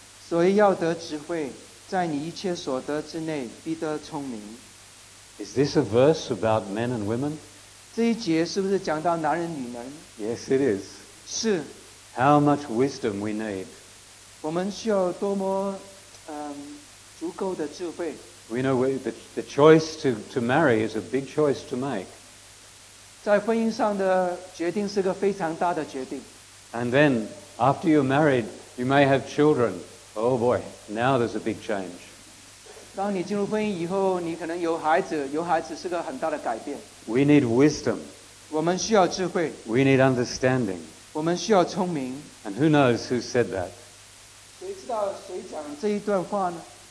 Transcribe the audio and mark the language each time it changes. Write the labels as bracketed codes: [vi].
[zh] 所以要得智慧，在你一切所得之内，必得聪明。 [en] Is this a verse about men and women? [zh] 这一节是不是讲到男人女人？ [en] Yes, it is. [zh] 是。 [en] How much wisdom we need. [zh] 我们需要多么足够的智慧。 [en] We know the choice to marry is a big choice to make. [zh] 在婚姻上的决定是个非常大的决定。 [en] And then, after you're married, you may have children. Oh boy, now there's a big change. [zh] 当你进入婚姻以后，你可能有孩子，有孩子是个很大的改变。 [en] We need wisdom. [zh] 我们需要智慧。 [en] We need understanding. [zh] 我们需要聪明。 [en] And who knows who said that? [zh] 谁知道谁讲这一段话呢？